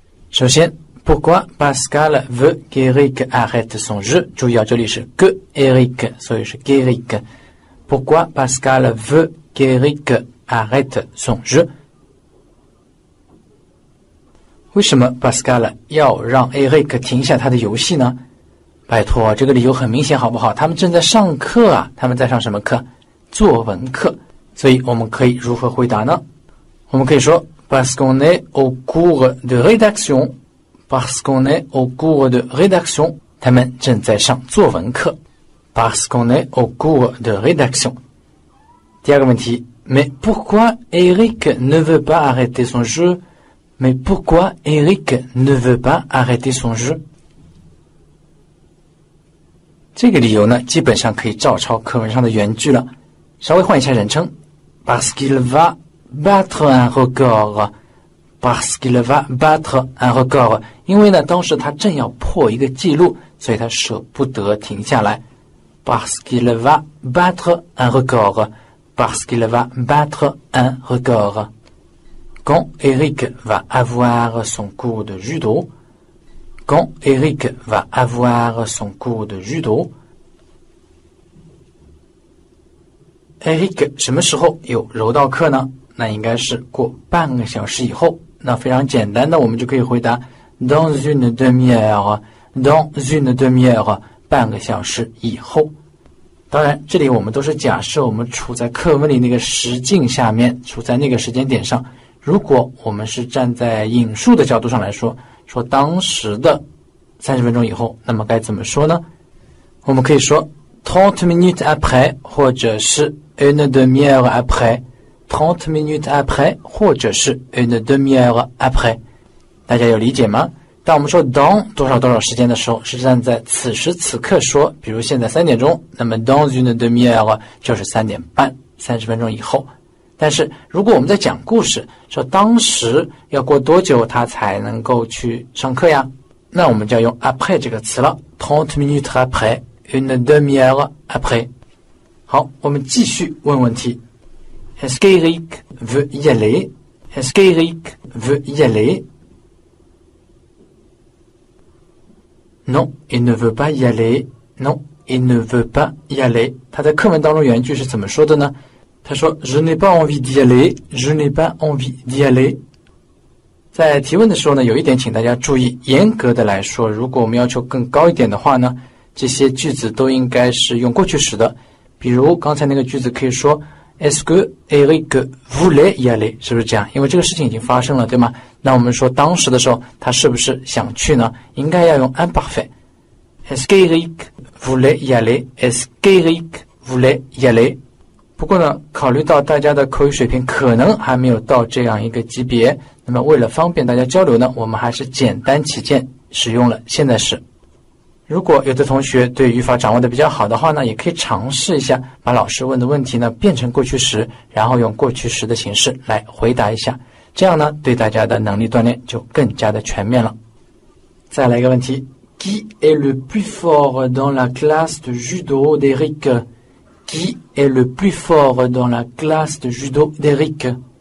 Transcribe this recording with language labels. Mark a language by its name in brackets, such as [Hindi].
[Chinese] 首先， [French] Pourquoi Pascal veut qu'Eric arrête son jeu？ [Chinese] 注意啊，这里是 [French] que Eric， [Chinese] 所以是 qu'Eric。 [French] Pourquoi Pascal veut qu'Eric arrête son jeu？ [Chinese] 为什么 Pascal 要让 Eric 停下他的游戏呢？拜托，这个理由很明显，好不好？他们正在上课啊，他们在上什么课？作文课。所以我们可以如何回答呢？我们可以说 [French] Parce qu'on est au cours de rédaction. Parce qu'on est au cours de rédaction. [Chinese] 他们正在上作文课。 [French] Parce qu'on est au cours de rédaction. [Chinese] 第二个问题， [French] Mais pourquoi Eric ne veut pas arrêter son jeu？ Mais pourquoi Eric ne veut pas arrêter son jeu? [Chinese] 这个理由呢，基本上可以照抄课文上的原句了，稍微换一下人称。 [French] Parce qu'il va battre un record. Parce qu'il va battre un record. [Chinese] 因为呢，当时他正要破一个记录，所以他舍不得停下来。 [French] Parce qu'il va battre un record. Parce qu'il va battre un record. Quand Eric va avoir son cours de judo, quand Eric va avoir son cours de judo, [Chinese] Eric 什么时候有柔道课呢？那应该是过半个小时以后。那非常简单的，我们就可以回答 [French] dans une demi-heure, dans une demi-heure, [Chinese] 半个小时以后。当然，这里我们都是假设我们处在课文里那个实境下面，处在那个时间点上。如果我们是站在引述的角度上来说，说当时的30分钟以后，那么该怎么说呢？我们可以说 [French] 30 minutes après [Chinese] 或者是 [French] une demi-heure après 30 minutes après [Chinese] 或者是 [French] une demi-heure après [Chinese] 大家有理解吗？当我们说 dans 多少多少时间的时候，是站在此时此刻说，比如现在3点钟，那么 [French] dans une demi-heure [Chinese] 就是3点半，30分钟以后。但是如果我们在讲故事，说当时要过多久他才能够去上课呀，那我们就要用 après 这个词了， [French] 30 minutes après, une demi-heure après。 [Chinese] 好，我们继续问问题。 [French] Est-ce qu'Eric veut y aller? Est-ce qu'Eric veut y aller? Non, il ne veut pas y aller. Non, il ne veut pas y aller. [Chinese] 他在课文当中原句是怎么说的呢？他说 [French] ：“Je n'ai pas envie d'y aller. Je n'ai pas envie d'y aller.” [Chinese] 在提问的时候呢，有一点请大家注意。严格的来说，如果我们要求更高一点的话呢，这些句子都应该是用过去时的。比如刚才那个句子可以说 ： [French] “Est-ce que Eric voulait y aller？” [Chinese] 是不是这样？因为这个事情已经发生了，对吗？那我们说当时的时候，他是不是想去呢？应该要用 imparfait。 [French] Est-ce que Eric voulait y aller? Est-ce que Eric voulait y aller? [Chinese] 不过呢，考虑到大家的口语水平可能还没有到这样一个级别，那么为了方便大家交流呢，我们还是简单起见，使用了现在时。如果有的同学对语法掌握的比较好的话呢，也可以尝试一下把老师问的问题呢变成过去时，然后用过去时的形式来回答一下，这样呢对大家的能力锻炼就更加的全面了。再来一个问题， [French] Qui est le plus fort dans la classe de judo d'Eric? Qui est le plus fort dans la classe de judo d'Eric?